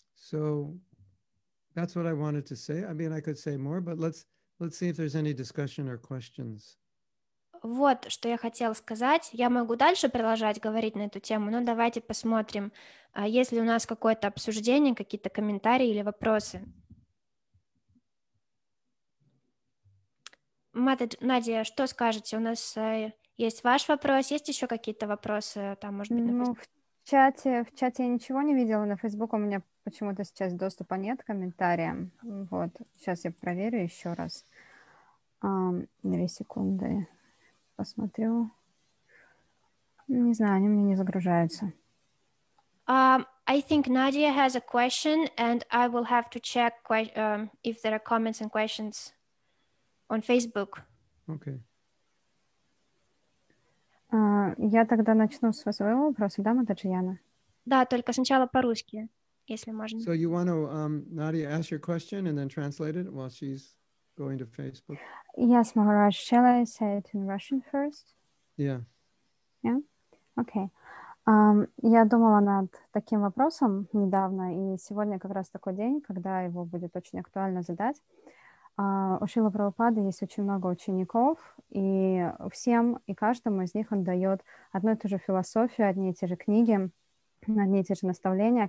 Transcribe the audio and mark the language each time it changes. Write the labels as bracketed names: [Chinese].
[English] So that's what I wanted to say. I mean, I could say more, but let's see if there's any discussion or questions. [Russian] Вот что я хотела сказать. Я могу дальше продолжать говорить на эту тему, но давайте посмотрим, есть ли у нас какое-то обсуждение, какие-то комментарии или вопросы. Надя, что скажете? У нас есть ваш вопрос, есть еще какие-то вопросы? Там, может быть, ну, в чате я ничего не видела, на Facebook у меня почему-то сейчас доступа нет к комментариям. Вот, сейчас я проверю еще раз. Две секунды. Посмотрю. Не знаю, они мне не загружаются. [English] I think Nadia has a question, and I will have to check if there are comments and questions on Facebook. Okay. [Russian] Я тогда начну с своего вопроса, да, Матаджияна? Да, только сначала по-русски, если можно. [English] So you want to, Nadia, ask your question and then translate it while she's going to Facebook? Yes, Maharaj, shall I say it in Russian first? Yeah. Yeah? Okay. [Russian] Я думала над таким вопросом недавно, и сегодня как раз такой день, когда его будет очень актуально задать. У Шрилы Прабхупады есть очень много учеников, и всем и каждому из них он дает одну и ту же философию, одни и те же книги, одни и те же наставления.